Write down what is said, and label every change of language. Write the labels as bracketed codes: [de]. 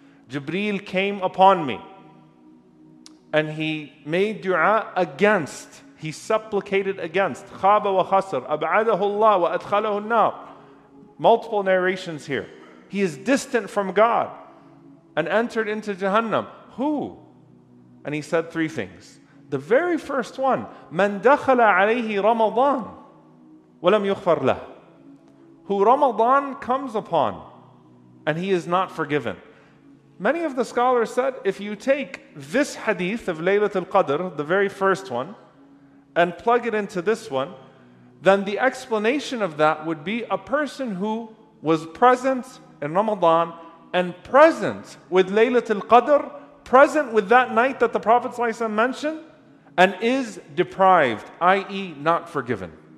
[en] Jibreel came upon me and he made dua against, he supplicated against, [ar] خَابَ وَخَسَرْ أَبْعَدَهُ اللَّهُ وَأَدْخَلَهُ النَّارِ. [en] Multiple narrations here. He is distant from God and entered into Jahannam. Who? And he said three things. The very first one, [ar] مَنْ دَخَلَ عَلَيْهِ رَمَضَانِ وَلَمْ يُخْفَرْ لَهُ. [en] Who Ramadan comes upon and he is not forgiven. Many of the scholars said, if you take this hadith of Laylatul Qadr, the very first one, and plug it into this one, then the explanation of that would be a person who was present in Ramadan and present with Laylatul Qadr, present with that night that the Prophet ﷺ mentioned, and is deprived, i.e. not forgiven.